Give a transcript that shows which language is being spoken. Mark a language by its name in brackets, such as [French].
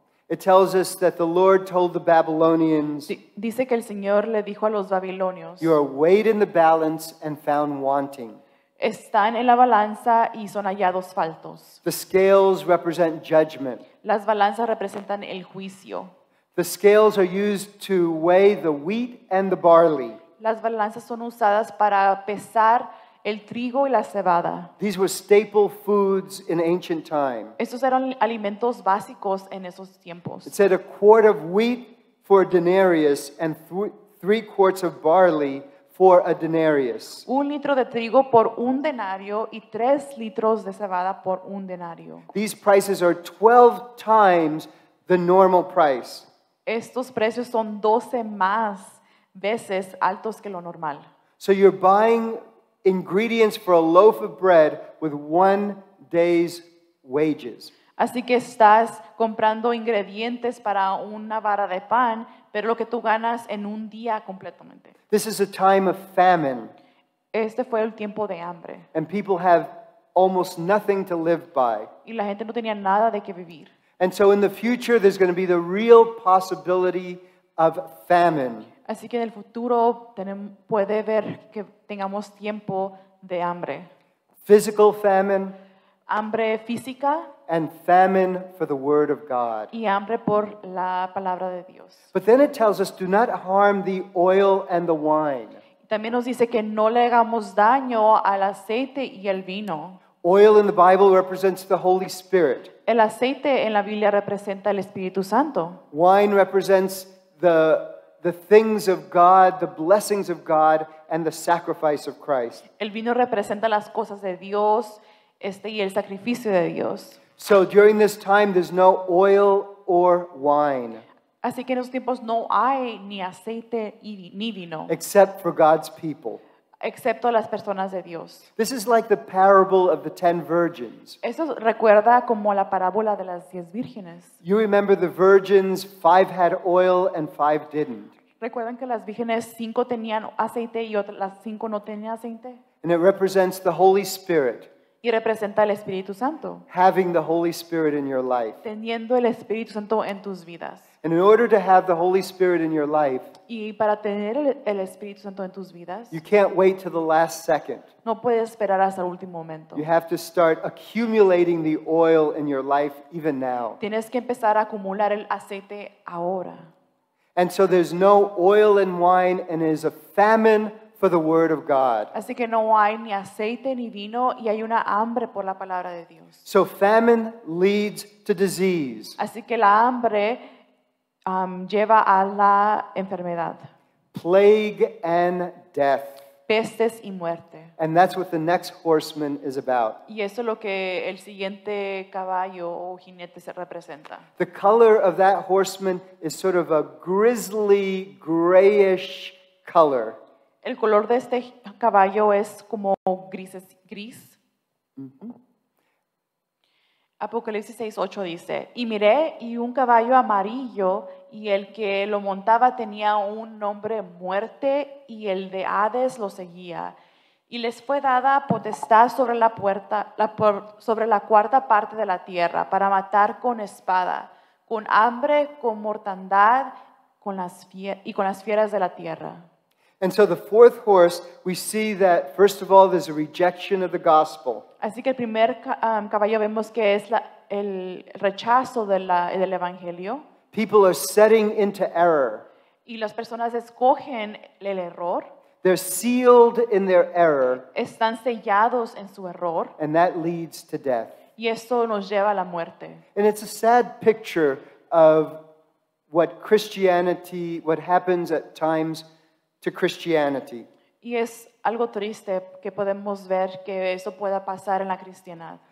[English] it tells us that the Lord told the Babylonians, [Spanish] dice que el Señor le dijo a los babilonios, [English] you are weighed in the balance and found wanting. [Spanish] Están en la balanza y son hallados faltos. [English] The scales represent judgment. [Spanish] Las balanzas representan el juicio. [English] The scales are used to weigh the wheat and the barley. [Spanish] Las balanzas son usadas para pesar el trigo y la cebada. [English] These were staple foods in ancient time. [Spanish] Estos eran alimentos básicos en esos tiempos. [English] It said a quart of wheat for a denarius and three quarts of barley for a denarius. [Spanish] Un litro de trigo por un denario y tres litros de cebada por un denario. [English] These prices are 12 times the normal price. [Spanish] Estos precios son 12 más veces altos que lo normal. [English] So you're buying ingredients for a loaf of bread with 1 day's wages. [Spanish] Así que estás comprando ingredientes para una vara de pan, pero lo que tú ganas en un día completamente. [English] This is a time of famine. [Spanish] Este fue el tiempo de hambre. [English] And people have almost nothing to live by. [Spanish] Y la gente no tenía nada de qué vivir. [English] And so in the future there's going to be the real possibility of famine. [Spanish] Así que en el futuro puede ver que tengamos tiempo de hambre. [English] Physical famine. [Spanish] Hambre física. [English] And famine for the word of God. [Spanish] Y hambre por la palabra de Dios. [English] But then it tells us, do not harm the oil and the wine. [Spanish] También nos dice que no le hagamos daño al aceite y el vino. [English] Oil in the Bible represents the Holy Spirit. [Spanish] El aceite en la Biblia representa el Espíritu Santo. [English] Wine represents the things of God, the blessings of God, and the sacrifice of Christ. [Spanish] El vino representa las cosas de Dios. Y el sacrificio de Dios. [English] So during this time there's no oil or wine. [Spanish] Así que en esos tiempos no hay ni aceite ni vino. [English] Except for God's people. [Spanish] excepto las personas de Dios. [English] This is like the parable of the 10 virgins. [Spanish] Eso recuerda como la parábola de las 10 vírgenes. [English] You remember the virgins, 5 had oil and 5 didn't. [Spanish] ¿Recuerdan que las vírgenes 5 tenían aceite y otras las 5 no tenían aceite? [English] And it represents the Holy Spirit. [Spanish] Y representa el Espíritu Santo. [English] Having the Holy Spirit in your life. [Spanish] Teniendo el Espíritu Santo en tus vidas. [English] And in order to have the Holy Spirit in your life, [Spanish] y para tener el Espíritu Santo en tus vidas, [English] you can't wait till the last second. [Spanish] No puedes esperar hasta el último momento. [English] You have to start accumulating the oil in your life even now. [Spanish] Tienes que empezar a acumular el aceite ahora. [English] And so there's no oil and wine, and there's a famine for the word of God. [Spanish] Así que no hay ni aceite ni vino y hay una hambre por la palabra de Dios. [English] So famine leads to disease. [Spanish] Así que la hambre lleva a la enfermedad. [English] Plague and death. [Spanish] Pestes y muerte. [English] And that's what the next horseman is about. [Spanish] Y eso es lo que el siguiente caballo o jinete se representa. [English] The color of that horseman is sort of a grisly, grayish color. [Spanish] El color de este caballo es como gris. Mm-hmm. Apocalipsis 6:8 dice, y miré y un caballo amarillo y el que lo montaba tenía un nombre muerte y el de Hades lo seguía. Y les fue dada potestad sobre la puerta, sobre la cuarta parte de la tierra para matar con espada, con hambre, con mortandad y con las fieras de la tierra. [English] And so the fourth horse, we see that, first of all, there's a rejection of the gospel. [Spanish] Así que el primer caballo vemos que es el rechazo del evangelio. [English] People are setting into error. [Spanish] Y las personas escogen el error. [English] They're sealed in their error. [Spanish] Están sellados en su error. [English] And that leads to death. [Spanish] Y eso nos lleva a la muerte. [English] And it's a sad picture of what Christianity, what happens at times to Christianity. [Spanish] Y es algo triste que podemos ver que eso pueda pasar en la cristianidad.